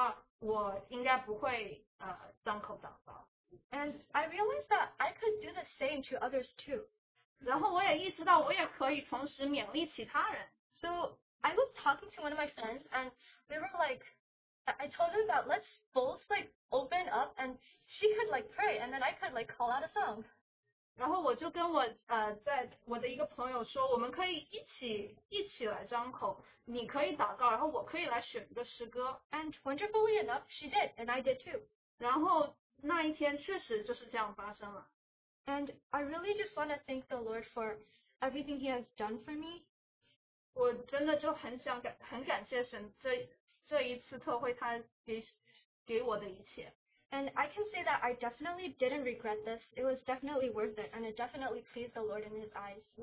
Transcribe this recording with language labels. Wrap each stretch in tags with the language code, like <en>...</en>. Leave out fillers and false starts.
<zh>必须要说，如果没有这一位弟兄的勉励我的话，我应该不会张口祷告。</zh> <en>And I realized that I could do the same to others too.</en> <zh>然后我也意识到我也可以同时勉励其他人。</zh> <en>So I was talking to one of my friends, and we were like, I told him that let's both like open up, and she could like pray, and then I could like call out a song.</en> <zh>然后我就跟我在我的一个朋友说，我们可以一起来张口，你可以祷告，然后我可以来选一个诗歌。</zh> <en>And wonderfully enough, she did, and I did too.</en> <zh>然后那一天确实就是这样发生了。</zh> <en>And I really just want to thank the Lord for everything He has done for me.</en> <zh>我真的就很想感谢神这一次特会他给我的一切。</zh> <en>And I can say that I definitely didn't regret this. It was definitely worth it, and it definitely pleased the Lord in His eyes.</en>